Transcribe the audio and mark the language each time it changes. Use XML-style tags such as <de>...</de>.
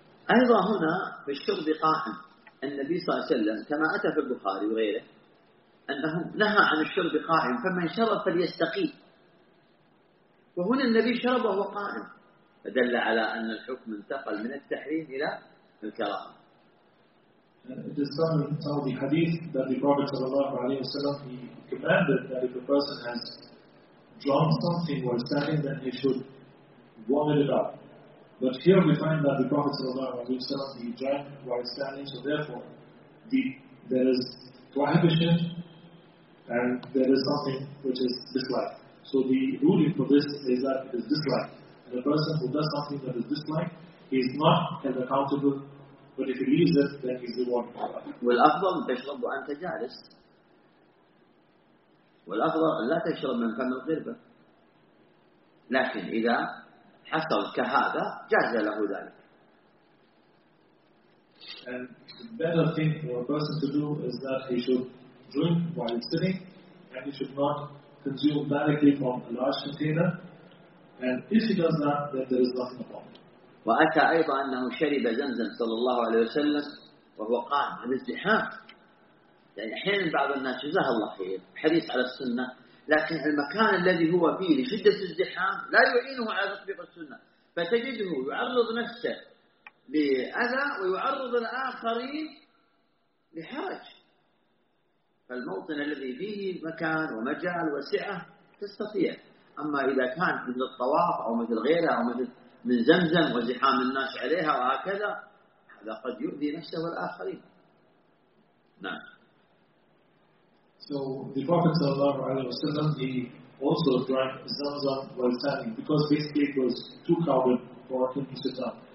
<ar>أيضا هنا في الشرب قائم النبي صلى الله عليه وسلم كما أتى في البخاري وغيره أنه نهى عن الشرب قائم، فمن شرب فليستقي. وهنا النبي شربه قائم، فدل على أن الحكم انتقل من التحريم إلى الكراهة.</ar> <en>It is some of the hadith that the Prophet sallallahu alaihi wasallam he commanded that if a person has drawn something while standing, then he should vomit it up. But here we find that the Prophet sallallahu alaihi wasallam he drank while standing, so therefore there is prohibition and there is something which is dislike. So the ruling for this is that it is dislike. And a person who does something that is dislike, he is not held accountable, but if he leaves it, then he is rewarded for that.</en> <ar>وَالْأَفْضَلُ تَشْرَبُ أَنْتَ جَالِسٌ وَالْأَفْضَلُ لَا تَشْرَبُ مِنْ فَمِ الْقِرْبَةِ لَكِنْ إِذَا حَصَلْ كَهَذَا جَازَ لَهُ ذَلِكَ.</ar> <en>And the better thing for a person to do is that he should drink while sitting, and he should not consume directly from a large container. And if he does that, then there is nothing upon it.</en> <ar>وأتى أيضا أنه شرب زمزم صلى الله عليه وسلم وهو قائم على الزحام. يعني أحيانا بعض الناس جزاه الله خير حريص على السنة، لكن المكان الذي هو فيه لشدة الزحام لا يعينه على تطبيق السنة، فتجده يعرض نفسه لأذى ويعرض الآخرين لحرج. فالموطن الذي فيه مكان ومجال وسعة تستطيع، أما إذا كان مثل الطواف أو مثل غيرها أو مثل من زمزم وزحام الناس عليها وهكذا، هذا قد يؤذي نفسه والآخرين. نعم.</ar> <en>So the Prophet</en> <ar>صلى الله عليه وسلم</ar> <en>he also drank Zamzam while standing because basically it was too crowded for him to sit up.</en>